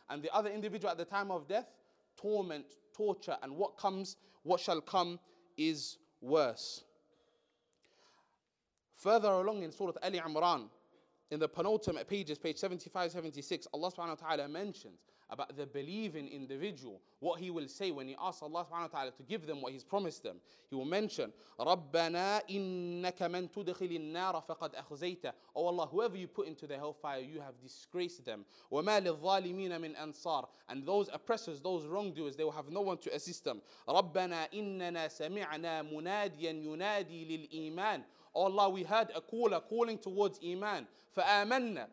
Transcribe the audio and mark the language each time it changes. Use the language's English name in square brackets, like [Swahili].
[English] And the other individual at the time of death, torment, torture, and what comes, what shall come is worse. Further along in Surah Ali Imran, in the penultimate pages, page 75, 76, Allah subhanahu wa ta'ala mentions about the believing individual, what he will say when he asks Allah subhanahu wa ta'ala to give them what he's promised them. He will mention, [Arabic] رَبَّنَا إِنَّكَ مَنْ تُدْخِلِ النَّارَ فَقَدْ أَخْزَيْتَ. [English] Oh Allah, whoever you put into the hellfire, you have disgraced them. [Arabic] وَمَا لِلظَّالِمِينَ مِنْ أَنصَارِ. [English] And those oppressors, those wrongdoers, they will have no one to assist them. [Arabic] رَبَّنَا إِنَّنَا سَمِعْنَا مُنَادِيًا يُنَادِي لِلْإِيمَانِ. [English] Oh Allah, we heard a caller calling towards Iman. [Arabic] فَآمَنَّا.